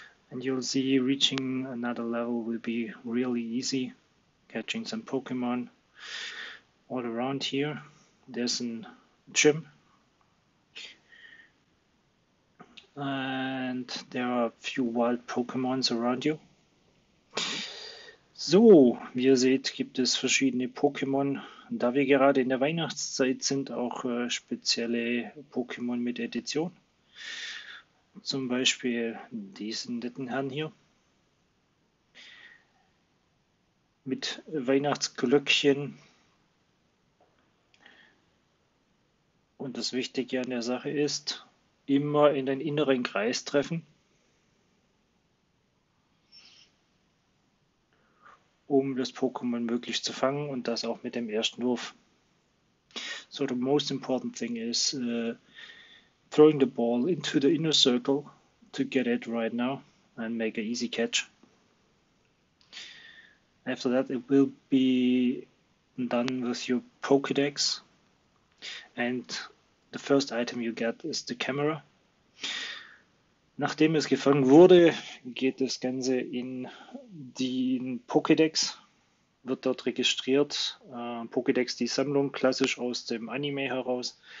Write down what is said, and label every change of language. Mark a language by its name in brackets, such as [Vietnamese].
[English] And you'll see reaching another level will be really easy. Catching some Pokemon all around here. There's a gym. And there are a few wild Pokemons around you. [German] So, wie ihr seht, gibt es verschiedene Pokémon. Da wir gerade in der Weihnachtszeit sind, auch spezielle Pokémon mit Edition. Zum Beispiel diesen netten Herrn hier. Mit Weihnachtsglöckchen. Und das Wichtige an der Sache ist, immer in den inneren Kreis treffen, um das Pokémon möglichst zu fangen und das auch mit dem ersten Wurf. [English] So, the most important thing is throwing the ball into the inner circle to get it right now and make an easy catch. After that, it will be done with your Pokédex. And the first item you get is the camera. [German] Nachdem es gefangen wurde, geht das Ganze in den Pokédex, wird dort registriert. Pokédex, die Sammlung, klassisch aus dem Anime heraus.